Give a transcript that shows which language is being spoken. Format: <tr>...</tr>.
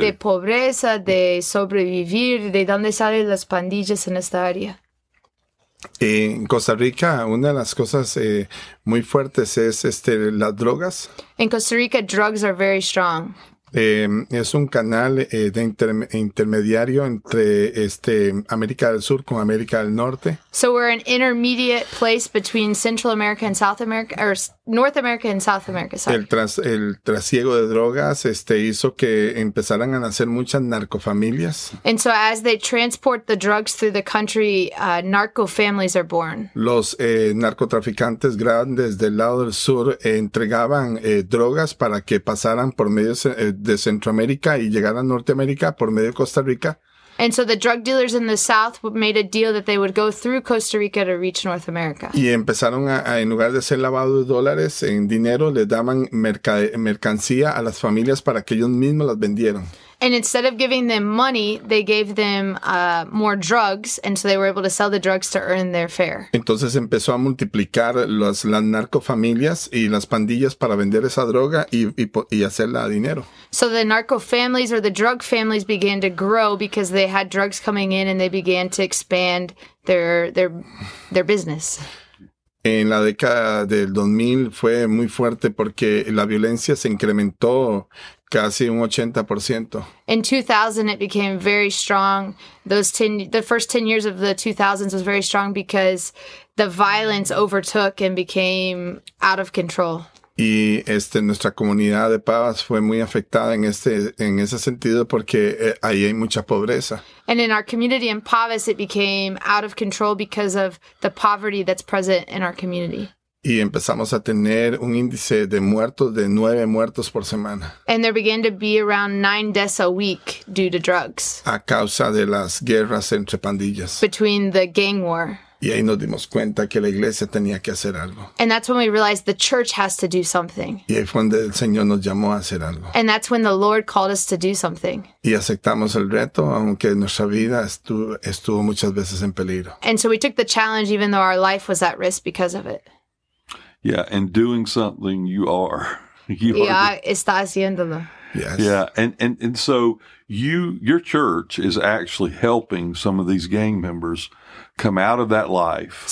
<es>De pobreza, de sobrevivir, de dónde salen las pandillas en esta área. En Costa Rica, una de las cosas muy fuertes es las drogas.</es> <en>In Costa Rica, drugs are very strong.</en> <es>Es un canal de intermediario entre América del Sur con América del Norte.</es> <en>So we're an intermediate place between Central America and South America, or North America and South America. Sorry.</en> <es>El trasiego de drogas hizo que empezaran a nacer muchas narcofamilias.</es> <en>And so as they transport the drugs through the country, narco families are born.</en> <es>Los narcotraficantes grandes del lado del sur entregaban drogas para que pasaran por medios de Centroamérica y llegar a Norteamérica por medio de Costa Rica.</es> <en>And so the drug dealers in the south made a deal that they would go through Costa Rica to reach North America.</en> <es>Y empezaron a en lugar de ser lavado de dólares en dinero, les daban mercancía a las familias para que ellos mismos las vendieran.</es> <en>And instead of giving them money, they gave them more drugs, and so they were able to sell the drugs to earn their fare.</en> <es>Entonces empezó a multiplicar las narcofamilias y las pandillas para vender esa droga y hacerla a dinero.</es> <en>So the narco families or the drug families began to grow because they had drugs coming in and they began to expand their business.</en> <es>En la década del 2000 fue muy fuerte porque la violencia se incrementó casi un 80%.</es> <en>In 2000, it became very strong. The first 10 years of the 2000s was very strong because the violence overtook and became out of control.</en> <es>Y nuestra comunidad de Pavas fue muy afectada en ese sentido porque ahí hay mucha pobreza.</es> <en>And in our community in Pavas, it became out of control because of the poverty that's present in our community.</en> <es>Y empezamos a tener un índice de muertos de 9 muertos por semana.</es> <en>And there began to be around 9 deaths a week due to drugs.</en> <es>A causa de las guerras entre pandillas.</es> <en>Between the gang war.</en> <es>Y ahí nos dimos cuenta que la iglesia tenía que hacer algo.</es> <en>And that's when we realized the church has to do something.</en> <es>Y ahí fue donde el Señor nos llamó a hacer algo.</es> <en>And that's when the Lord called us to do something.</en> <es>Y aceptamos el reto, aunque nuestra vida estuvo muchas veces en peligro.</es> <en>And so we took the challenge even though our life was at risk because of it. Yeah, and doing something you are.</en> <es>Está haciéndolo.</es> <en>Yes. Yeah, and so your church is actually helping some of these gang members come out of that life.</en>